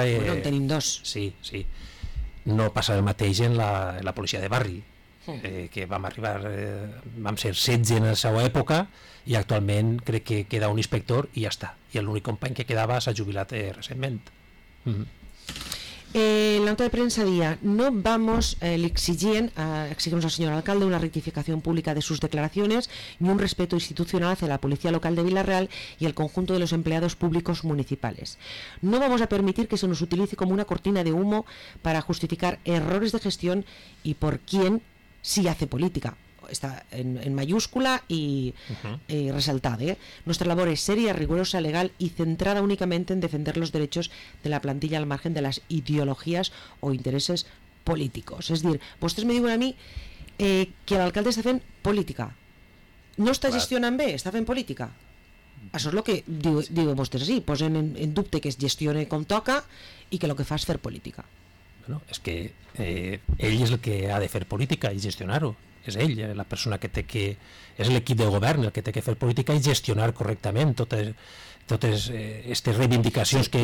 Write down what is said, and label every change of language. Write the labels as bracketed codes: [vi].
[ca] Bueno, en tenim dos. Sí. No passa el mateix en la policia de barri, que vam ser 16 en la seva època, i actualment crec que queda un inspector i ja està. I l'únic company que quedava s'ha jubilat recentment. La nota de premsa dia: [es] no vamos exigiendo, exigimos al señor alcalde una rectificación pública de sus declaraciones ni un respeto institucional hacia la policía local de Villarreal y el conjunto de los empleados públicos municipales. No vamos a permitir que se nos utilice como una cortina de humo para justificar errores de gestión y por quién sí hace política. Está en mayúscula y resaltada. Nuestra labor es seria, rigurosa, legal y centrada únicamente en defender los derechos de la plantilla al margen de las ideologías o intereses políticos. Es decir, vosotros me [ca] diuen [es] a mí que el alcalde está [ca] fent política. No está gestionant bé, está fent política. Això és el que diuen vostès així. Posen en dubte que es gestione com toca i que el que fa és fer política. Bueno, és que ell és el que ha de fer política i gestionar-ho. És ell, la persona que té que... És l'equip de govern el que té que fer política i gestionar correctament totes aquestes reivindicacions que...